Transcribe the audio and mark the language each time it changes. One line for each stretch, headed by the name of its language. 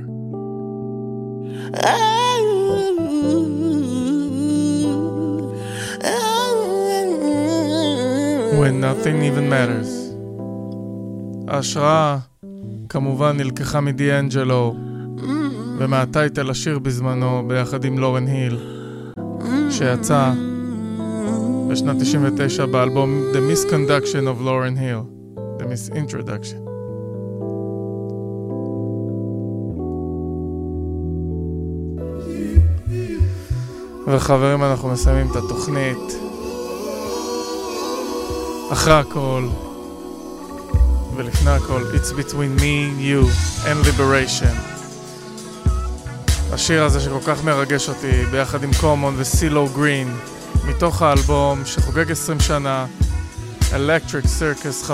English: When nothing even matters.
Hebrew: ההשראה כמובן נלקחה מדיאנג'לו ומהטייטל השיר בזמנו ביחד עם לורן היל, שיצא בשנת 99 באלבום The Misconduction of Lauren Hill, The Misintroduction. וחברים, אנחנו מסיימים את התוכנית. אחרי הכל ולפני הכל,
English: it's between me, you and liberation.
Hebrew: השיר הזה שכל כך מרגש אותי ביחד עם קומון וסילו גרין מתוך האלבום שחוגג 20 שנה Electric Circus.